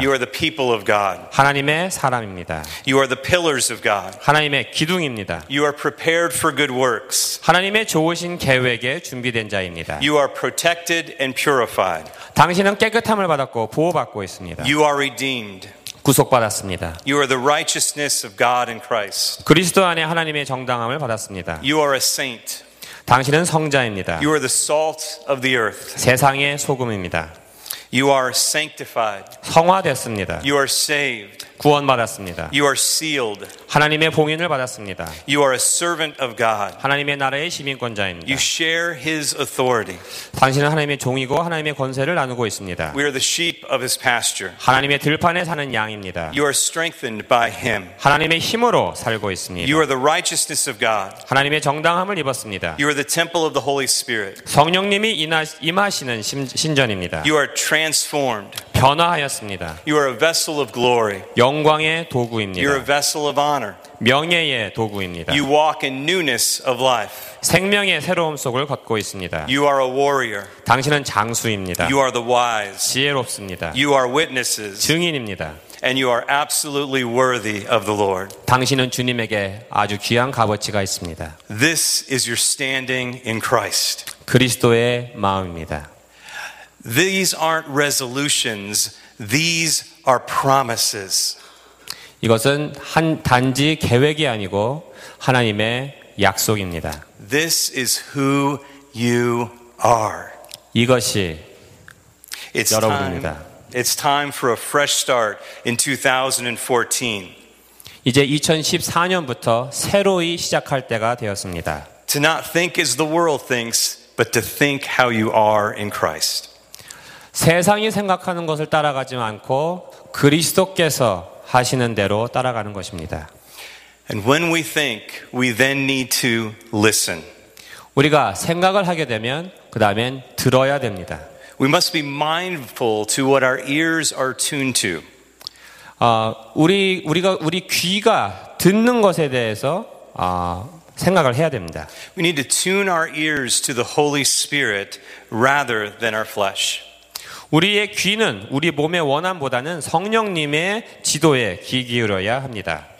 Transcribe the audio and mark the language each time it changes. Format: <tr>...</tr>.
<en>You are the people of God.</en> <ko>하나님의 사람입니다.</ko> <en>You are the pillars of God.</en> <ko>하나님의 기둥입니다.</ko> <en>You are prepared for good works.</en> <ko>하나님의 좋으신 계획에 준비된 자입니다.</ko> <en>You are protected and purified.</en> <ko>당신은 깨끗함을 받았고 보호받고 있습니다.</ko> <en>You are redeemed.</en> <ko>구속받았습니다.</ko> <en>You are the righteousness of God in Christ.</en> <ko>그리스도 안에 하나님의 정당함을 받았습니다.</ko> <en>You are a saint.</en> <ko>당신은 성자입니다.</ko> <en>You are the salt of the earth.</en> <ko>세상의 소금입니다.</ko> <en>You are sanctified.</en> <ko>성화됐습니다.</ko> <en>You are saved.</en> <ko>구원받았습니다.</ko> <en>You are sealed.</en> <ko>하나님의 봉인을 받았습니다.</ko> <en>You are a servant of God.</en> <ko>하나님의 나라의 시민권자입니다.</ko> <en>You share his authority.</en> <ko>당신은 하나님의 종이고 하나님의 권세를 나누고 있습니다.</ko> <en>We are the sheep of his pasture.</en> <ko>하나님의 들판에 사는 양입니다.</ko> <en>You are strengthened by him.</en> <ko>하나님의 힘으로 살고 있습니다.</ko> <en>You are the righteousness of God.</en> <ko>하나님의 정당함을 입었습니다.</ko> <en>You are the temple of the Holy Spirit.</en> <ko>성령님이 임하시는 신전입니다.</ko> <en>You are transformed.</en> <ko>변화하였습니다.</ko> <en>You are a vessel of glory.</en> <ko>영광의 도구입니다.</ko> <en>You're a vessel of honor.</en> <ko>명예의 도구입니다.</ko> <en>You walk in newness of life.</en> <ko>생명의 새로움 속을 걷고 있습니다.</ko> <en>You are a warrior.</en> <ko>당신은 장수입니다.</ko> <en>You are the wise.</en> <ko>지혜롭습니다.</ko> <en>You are witnesses.</en> <ko>증인입니다.</ko> <en>And you are absolutely worthy of the Lord.</en> <ko>당신은 주님에게 아주 귀한 값어치가 있습니다.</ko> <en>This is your standing in Christ.</en> <ko>그리스도의 마음입니다.</ko> <en>These aren't resolutions. These are promises.</en> <ko>이것은 단지 계획이 아니고 하나님의 약속입니다.</ko> <en>This is who you are.</en> <ko>이것이 여러분입니다.</ko> <en>It's time for a fresh start in 2014.</en> <ko>이제 2014년부터 새로이 시작할 때가 되었습니다.</ko> <en>To not think as the world thinks, but to think how you are in Christ.</en> <ko>세상이 생각하는 것을 따라가지 않고 그리스도께서 하시는 대로 따라가는 것입니다.</ko> <en>And when we think, we then need to listen.</en> <ko>우리가 생각을 하게 되면 그 다음엔 들어야 됩니다.</ko> <en>We must be mindful to what our ears are tuned to.</en> <ko>우리 귀가 듣는 것에 대해서 생각을 해야 됩니다.</ko> <en>We need to tune our ears to the Holy Spirit rather than our flesh.</en> <ko>우리의 귀는 우리 몸의 원함보다는 성령님의 지도에 귀 기울여야 합니다.</ko>